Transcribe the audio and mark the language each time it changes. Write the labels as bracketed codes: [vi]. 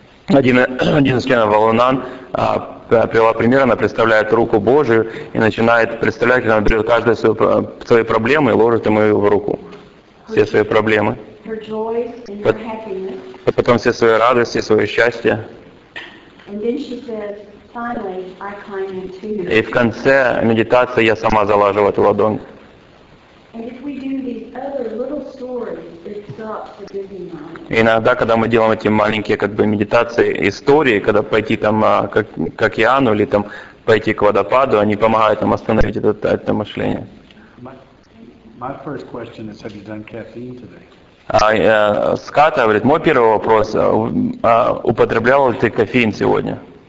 [ru] Один из членов Валунан привела пример, она представляет руку Божию и начинает представлять, как она берет каждую свою проблему и ложит ему ее в руку. Все свои проблемы. [en] Her joys and her happiness. [ru] Потом все свои радости, свое счастье. [en] And then she says, finally, I climb into you. [ru] И в конце медитации я сама залажу в эту ладонь. [en] And if we do these other little stories, it stops the busy mind. [ru] Иногда, когда мы делаем эти маленькие как бы медитации, истории, когда пойти там к океану или там пойти к водопаду, они помогают нам остановить это мышление. [en] My first question is, have you done caffeine today? [ru] Скат говорит, мой первый вопрос, употреблял ли ты кофеин сегодня?